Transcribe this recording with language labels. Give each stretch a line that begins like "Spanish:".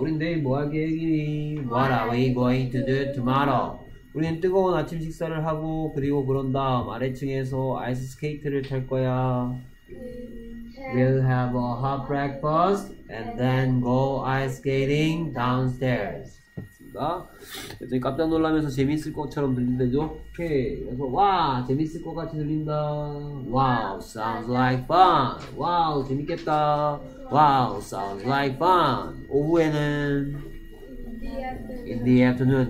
Korean: 우린 내일 뭐 할 계획이니?
English: What are we going to do tomorrow?
Korean: 우리는 뜨거운 아침 식사를 하고 그리고 그런 다음 아래층에서 아이스 스케이트를 탈 거야.
English: We'll have a hot breakfast and then go ice skating downstairs.
Korean: 그랬더니 깜짝 놀라면서 재밌을 것처럼 들린대죠. 오케이. 그래서 와 재밌을 것 같이 들린다.
English: Wow, sounds like fun. Wow,
Korean: 재밌겠다.
English: Wow, sounds like fun.
Korean: 오후에는
English: In the afternoon